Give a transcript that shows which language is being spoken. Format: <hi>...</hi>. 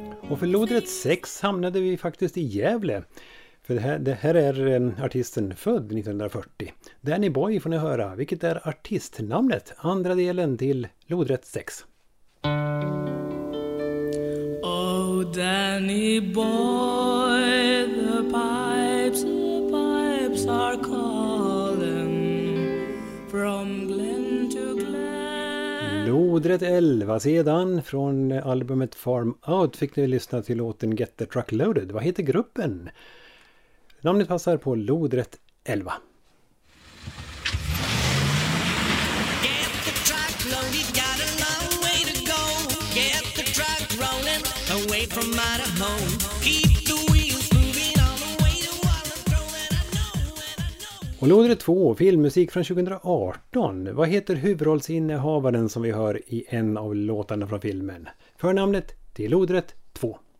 <sv>Och för lodrätt 6 hamnade vi faktiskt i Gävle. För det här är artisten född 1940. Danny Boy får ni höra. Vilket är artistnamnet? Andra delen till lodrätt 6.</sv> <en>Oh Danny Boy, the pipes are calling from glen to glen.</en> <sv>Lodrätt 11 sedan från albumet Farm Out fick ni lyssna till låten Get the Truck Loaded. Vad heter gruppen? Namnet passar på lodrätt 11.</sv> <en>Get the truck loaded, got a long way to go. Get the truck rolling away from out of home. Keep the wheels moving all the way to while I'm throwing. I know when I know.</en> <sv>Och lodrätt 2, filmmusik från 2018. Vad heter huvudrollsinnehavaren som vi hör i en av låtarna från filmen? Förnamnet till lodrätt 2.</sv>